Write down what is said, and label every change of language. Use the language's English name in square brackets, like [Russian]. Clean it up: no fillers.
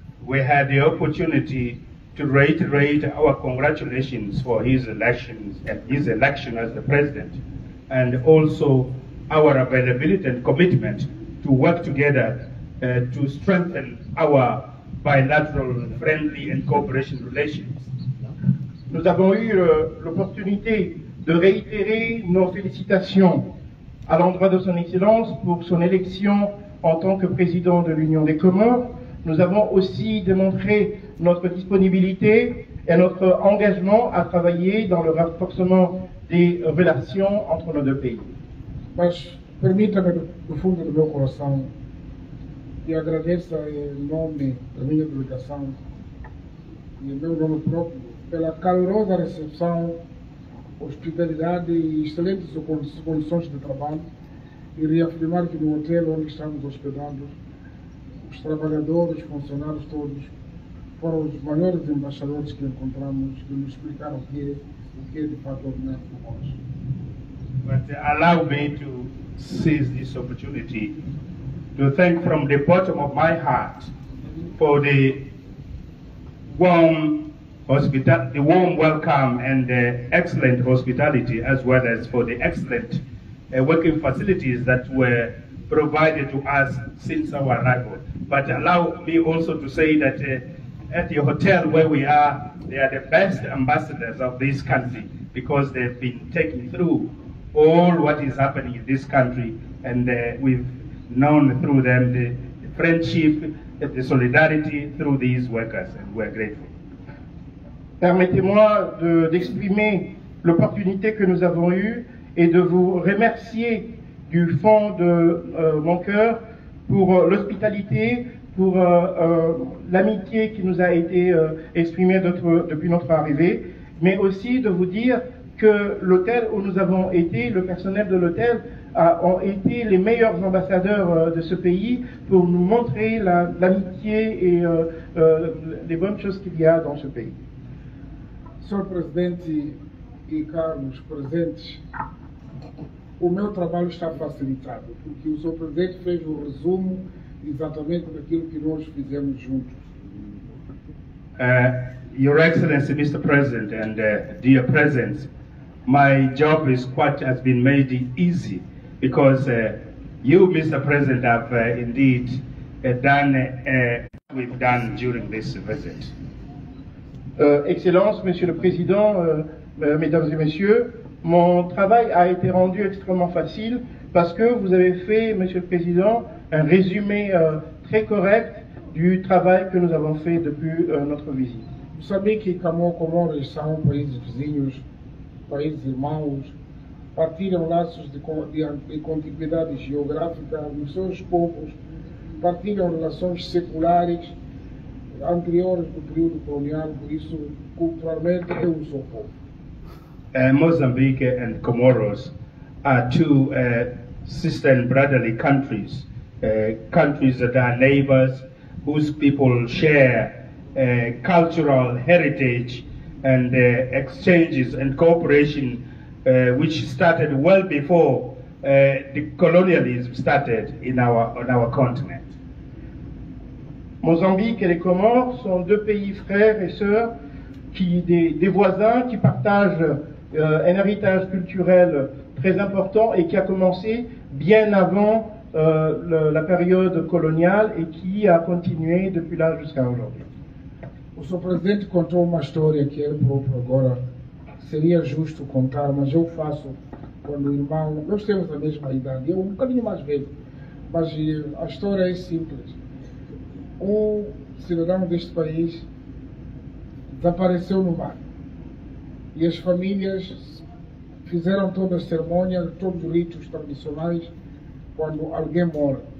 [English] We had the opportunity to reiterate our congratulations for his election as the president, and also our availability and commitment to work together to strengthen our bilateral, friendly and cooperation relations. [French] Nous avons eu l'opportunité de réitérer nos félicitations à l'endroit de Son Excellence pour son élection en tant que président de l'Union des Comores. Nous avons aussi démontré notre disponibilité et notre engagement à travailler dans le renforcement des relations entre nos deux pays. [Portuguese] Mas permita-me do fundo do meu coração que agradeça em nome da minha delegação e em meu nome próprio pela calorosa recepção, hospitalidade e excelentes condições de trabalho, e reafirmar que no hotel onde estamos hospedando os trabalhadores, funcionários todos, foram os maiores embaixadores que encontramos que nos explicaram o que é de fato o Comores. [English] But allow me to seize this opportunity to thank from the bottom of my heart for the warm welcome and the excellent hospitality, as well as for the excellent working facilities that were provided to us since our arrival. But allow me also to say that at the hotel where we are, they are the best ambassadors of this country, because they've been taking through all what is happening in this country, and we've known through them the friendship, the solidarity through these workers, and we're grateful. [French] Permettez-moi d'exprimer l'opportunité que nous avons eue et de vous remercier du fond de mon cœur pour l'hospitalité, pour l'amitié qui nous a été exprimée depuis notre arrivée, mais aussi de vous dire que l'hôtel où nous avons été, le personnel de l'hôtel, ont été les meilleurs ambassadeurs de ce pays pour nous montrer l'amitié et les bonnes choses qu'il y a dans ce pays. [Portuguese] Senhor Presidente e caros presentes, o meu trabalho está facilitado, porque o Senhor Presidente fez um resumo exatamente daquilo que nós fizemos juntos. [English] Your Excellency, Mr. President, and dear presidents, my job is quite has been made easy, because you, Mr. President, have indeed done what we've done during this visit. [French] Excellence, Monsieur le Président, Mesdames et Messieurs, mon travail a été rendu extrêmement facile parce que vous avez fait, Monsieur le Président, un résumé très correct du travail que nous avons fait depuis notre visite. Vous savez que les Comores sont pays [Portuguese] vizinhos, pays irmãos, partilham laços de contiguidade geográfica nos seus povos, partilham relações seculares anteriores do período colonial, por isso, culturalmente, é um só povo. [English] Mozambique and Comoros are two sister and brotherly countries, countries that are neighbors, whose people share cultural heritage and exchanges and cooperation, which started well before the colonialism started in our continent. [French] Mozambique et les Comores sont deux pays frères et sœurs, qui des voisins qui partagent un héritage culturel très important et qui a commencé bien avant la période coloniale et qui a continué depuis là jusqu'à aujourd'hui. [Portuguese] O senhor presidente contou uma história que ele próprio agora seria justo contar, mas eu faço quando o irmão, nós temos a mesma idade, eu um bocadinho mais velho, mas a história é simples. Um cidadão deste país desapareceu no mar e as famílias fizeram toda a cerimônia, todos os ritos tradicionais quando alguém morre.